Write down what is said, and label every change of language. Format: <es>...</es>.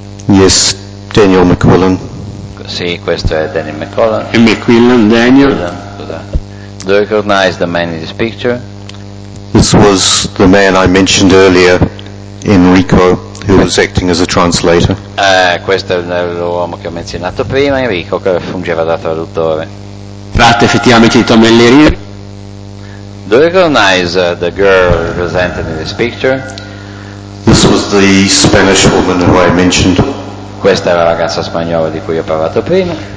<en>Yes, Daniel McQuillan.</en> <it>Sì, questo è Daniel McQuillan. E McQuillan, Daniel.</it> <en>Do you recognize the man in this picture? This was the man I mentioned earlier, Enrico, who was acting as a translator.</en> <it>Questo è l'uomo che ho menzionato prima, Enrico, che fungeva da traduttore. Tratta effettivamente di Tom Ellery.</it> <en>Do you recognize the girl represented in this picture? This was the Spanish woman who I mentioned.</en> <it>Questa è la ragazza spagnola di cui ho parlato prima.</it>